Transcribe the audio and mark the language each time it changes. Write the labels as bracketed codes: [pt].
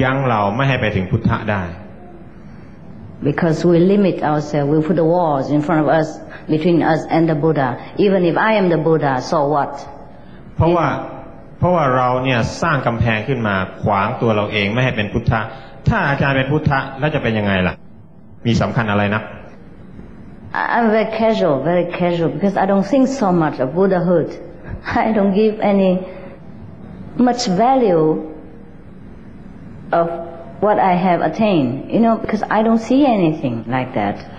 [th] อันนี้แหละเป็นตัวที่จะขัดขวางหรือหยุดยั้งเราไม่ให้ไปถึงพุทธะได้ [en] Because we limit ourselves, we put the walls in front of us between us and the Buddha. Even if I am the Buddha, so what? [th] เพราะว่าเราเนี่ยสร้างกำแพงขึ้นมาขวางตัวเราเองไม่ให้เป็นพุทธะ ถ้าอาจารย์เป็นพุทธะแล้วจะเป็นยังไงล่ะ มีสำคัญอะไรนะ [en] I'm very casual, because I don't think so much of Buddhahood. I don't give any much value of what I have attained, you know, because I don't see anything like that.